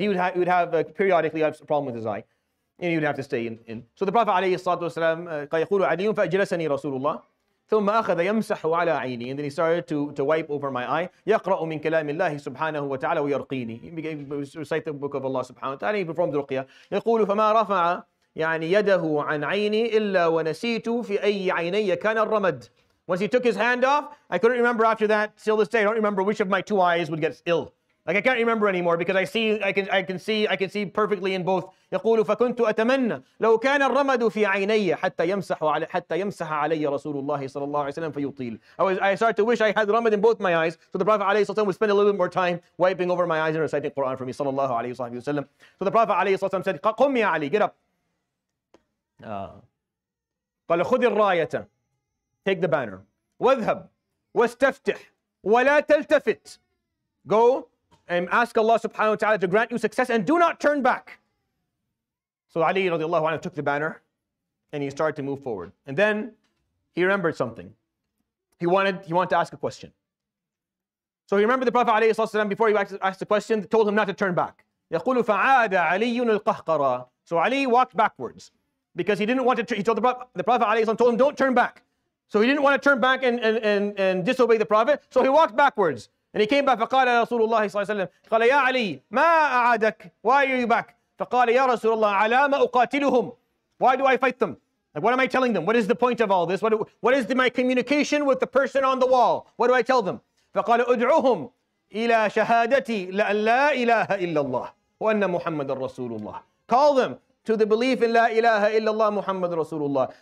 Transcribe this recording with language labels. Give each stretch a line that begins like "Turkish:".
English: He would have periodically a problem with his eye. And he would have to stay in. So the Prophet ﷺ
Arabic: قَيْقُولُ عَلِيٌّ فَأَجْلَسَنِي رَسُولُ اللَّهِ. ثم أخذ يمسح على عيني.
English: And then he started to wipe over my eye.
Arabic: يقرأ من كلام الله سبحانه وتعالى ويرقيني.
English: He began to recite the book of Allah سبحانه وتعالى. He performed رقية.
Arabic: يقول فما رفع يعني يده عن عيني إلا ونسيت في أي عيني كان الرمد.
English: Once he took his hand off, I couldn't remember after that. Till this day, I don't remember which of my two eyes would get ill. Like I can't remember anymore because I can see perfectly in both.
Arabic: يقول فكنت أتمنى لو كان الرمد في عيني حتى يمسح علي رسول الله صلى الله عليه وسلم فيطيل.
English: I started to wish I had ramad in both my eyes so the Prophet عليه الصلاة والسلام would spend a little bit more time wiping over my eyes and reciting Quran for me صلى الله عليه وسلم. So the Prophet
Arabic: عليه الصلاة والسلام
English: said,
Arabic: قم يا علي,
English: get up.
Arabic: قال خذ الراية,
English: take the banner.
Arabic: واذهب واستفتح ولا تلتفت.
English: Go and ask Allah subhanahu wa ta'ala to grant you success and do not turn back. So Ali radiallahu anhu took the banner and he started to move forward. And then he remembered something. He wanted to ask a question. So he remembered the Prophet alayhi sallallahu alayhi wa sallam, before he asked the question, told him not to turn back.
Arabic: يَقُولُ فَعَادَ عَلِيٌّ الْقَهْقَرَى.
English: So Ali walked backwards because he didn't want to, he told the Prophet alayhi sallam, told him don't turn back. So he didn't want to turn back and disobey the Prophet. So he walked backwards. And he came back,
Arabic: فَقَالَ رَسُولُ اللَّهِ صَلَّى اللَّهُ عَلَيْهِ وَسَلَّمَ قَالَ يَا عَلِيُّ مَا أَعَادَكَ,
English: why are you back?
Arabic: فَقَالَ يَا رَسُولُ اللَّهِ عَلَى مَا أُقَاتِلُهُمْ,
English: why do I fight them? Like, what am I telling them? What is the point of all this? What is my communication with the person on the wall? What do I tell them?
Arabic: فَقَالَ أُدْعُهُمْ إِلَى شَهَادَتِي لَأَنَّ لَا إِلَهَ إِلَّا اللَّهُ وَأَنَّ مُحَمَّدًا رَسُولُ اللَّهِ,
English: call them to the belief in
Arabic: لا إله إلا الله محمد رسول الله.